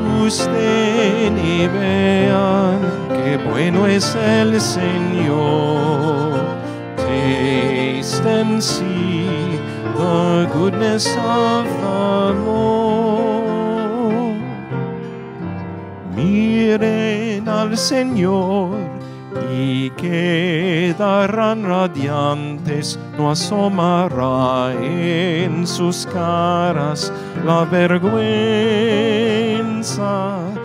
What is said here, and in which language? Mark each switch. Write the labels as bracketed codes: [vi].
[es] gusten y vean que bueno es el Señor. [en] Taste and see the goodness of the Lord. [es] Miren al Señor y quedarán radiantes, no asomará en sus caras la vergüenza.